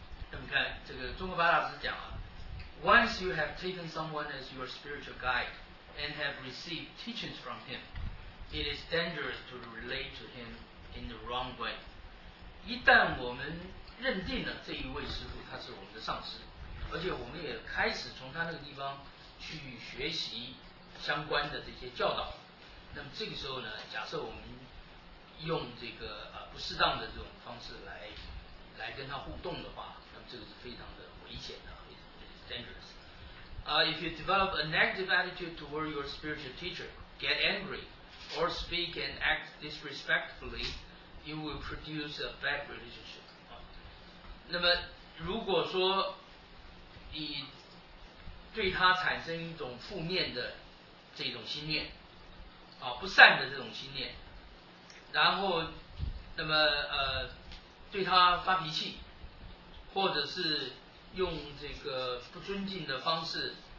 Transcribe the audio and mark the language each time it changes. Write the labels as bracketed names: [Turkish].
[Chinese] 那么看这个中国八大师讲啊 [English] ，Once you have taken someone as your spiritual guide and have received teachings from him, it is dangerous to relate to him in the wrong way。 [Chinese] 一旦我们认定了这一位师父他是我们的上师，而且我们也开始从他那个地方去学习相关的这些教导，那么这个时候呢，假设我们用这个不适当的这种方式来来跟他互动的话，那么这个是非常的危险的， [English] it's dangerous. If you develop a negative attitude toward your spiritual teacher, get angry, or speak and act disrespectfully, you will produce a bad relationship. [Chinese] 那么如果说你对他产生一种负面的这种心念，不善的这种心念，然后那么对他发脾气，或者是用这个不尊敬的方式